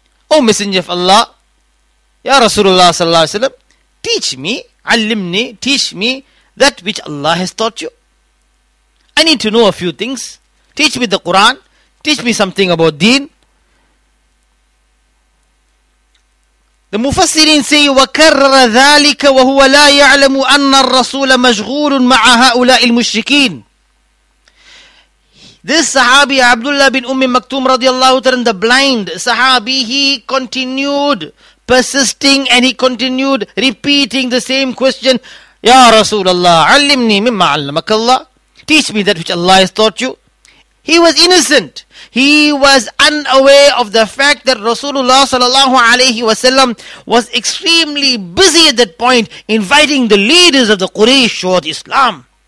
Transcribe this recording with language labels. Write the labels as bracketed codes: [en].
[en] O Messenger of Allah, Ya Rasulullah sallallahu alayhi wa sallam, teach me, allimni, teach me that which Allah has taught you. I need to know a few things. Teach me the Quran. Teach me something about deen. The Mufassirin say, [ar] وَكَرَّ ذَٰلِكَ وَهُوَ لَا يَعْلَمُ أَنَّ الرَّسُولَ مَشْغُولٌ مَعَ هَؤُلَاءِ الْمُشْرِكِينَ. [en] This Sahabi, Abdullah bin Umm Maktum radiallahu ta'ala, the blind Sahabi, he continued persisting and he continued repeating the same question. [ar] Ya Rasulullah, عَلِّمْنِي مِمَّا عَلَّمَكَ اللَّهِ. [en] Teach me that which Allah has taught you. He was innocent. He was unaware of the fact that Rasulullah sallallahu alayhi wa sallam was extremely busy at that point inviting the leaders of the Quraysh towards Islam.